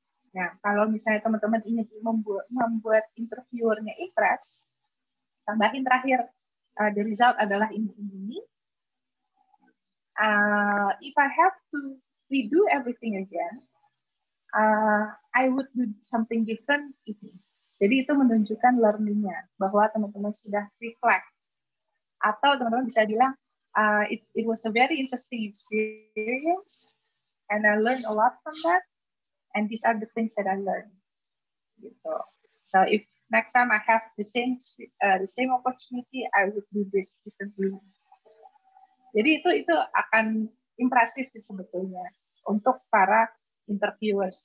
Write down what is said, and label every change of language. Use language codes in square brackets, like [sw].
[id] Nah, kalau misalnya teman-teman ingin membuat interviewernya impress, tambahin terakhir, the result adalah ini. [en] If I have to redo everything again, I would do something different [id] ini. Jadi itu menunjukkan learning-nya, bahwa teman-teman sudah reflect. Atau teman-teman bisa bilang, [en] it was a very interesting experience, and I learned a lot from that. And these are the things that I learned. [id] Gitu. [en] So if next time I have the same opportunity, I would do this differently. [id] Jadi itu akan impresif sih sebetulnya untuk para interviewers.